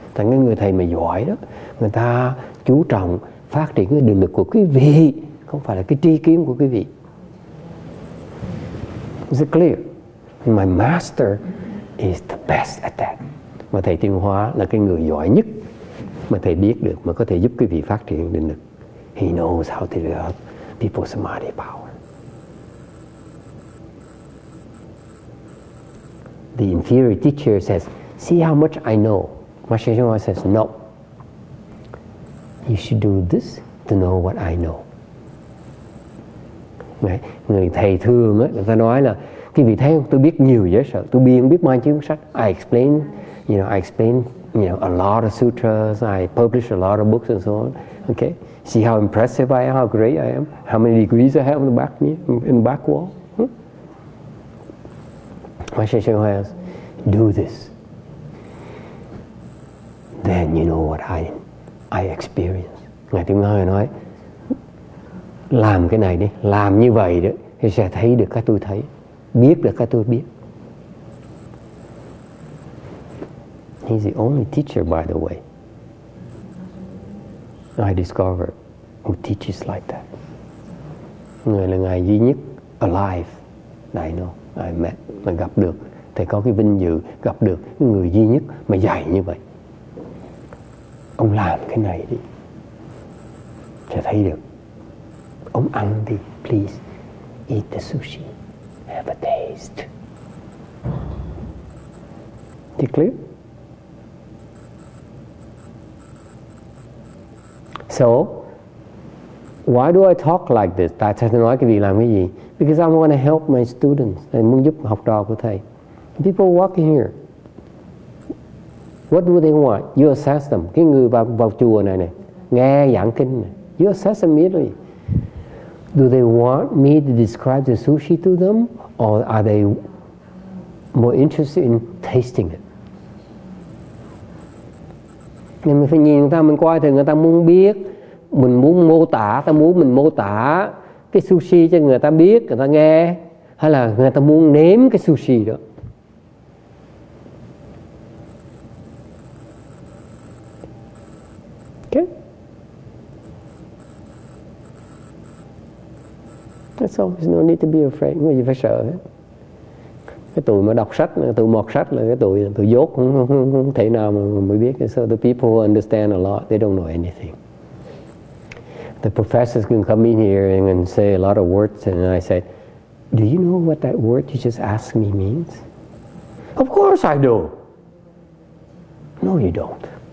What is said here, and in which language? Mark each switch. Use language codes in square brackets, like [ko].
[vi] Thành người thầy mà giỏi đó, người ta chú trọng phát triển cái định lực của quý vị, không phải là cái tri kiến của quý vị. [en] Is it clear? My master is the best at that. [vi] Mà thầy Tuyên Hóa là cái người giỏi nhất mà thầy biết được, mà có thể giúp quý vị phát triển được. [en] He knows how to develop people's samadhi power. The inferior teacher says, see how much I know. Master Tuyên Hóa says, no. You should do this to know what I know. [vi] Đấy. Người thầy thường ấy, người ta nói là quý vị thấy không, tôi biết nhiều giới sở, tôi biết, biết mang chiếc sách. [en] I explain, you know, I explain, you know, a lot of sutras, I publish a lot of books and so on. Okay, see how impressive I am, how great I am, how many degrees I have in the back wall. Master Tuyên Hóa says, do this. Then you know what I experience. [vi] Ngài Tuyên Hóa nói, làm cái này đi, làm như vậy đó, thì sẽ thấy được cái tôi thấy, biết được cái tôi biết. [en] He's the only teacher, by the way, I discovered, who teaches like that. [vi] Người là ngài duy nhất [en] alive, I know, I met, [vi] mà gặp được, thầy có cái vinh dự gặp được người duy nhất mà dạy như vậy. Ông làm cái này đi, sẽ thấy được. Ông ăn đi, [en] please, eat the sushi, have a taste. Is it clear? So, why do I talk like this? [vi] Tại sao tôi nói cái gì làm cái gì? [en] Because I want to help my students. [vi] Tôi muốn giúp học trò của thầy. [en] People walk in here. What do they want? You assess them. [vi] Cái người vào chùa này này, nghe giảng kinh này. [en] You assess them immediately. Do they want me to describe the sushi to them? Or are they more interested in tasting it? [vi] Mình phải nhìn người ta, mình coi thì người ta muốn biết, mình muốn mô tả, ta muốn mình mô tả cái sushi cho người ta biết, người ta nghe, hay là người ta muốn nếm cái sushi đó. [en] Okay. That's all, there's no need to be afraid. [vi] Người gì phải sợ hết. Cái tụi mà đọc sách, tụi mọt sách là cái tụi dốt, không thể nào mà mới biết. [en] So the people who understand a lot, they don't know anything. The professors can come in here and say a lot of words, and I say, do you know what that word you just asked me means? Of course I do. No, you don't.